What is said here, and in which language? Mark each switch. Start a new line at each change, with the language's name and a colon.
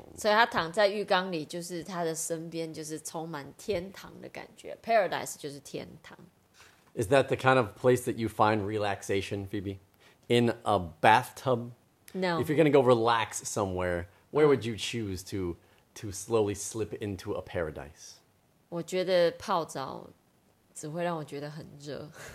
Chinese: 所以他躺在浴缸里，就是他的身边就是充满天堂的感觉。 Paradise 就是天堂。
English: Is that the kind of place that you find relaxation, Phoebe? In a bathtub? No. If you're going to go relax somewhere, where would you choose to slowly slip into a paradise?
Chinese: 我觉得泡澡只会让我觉得很热。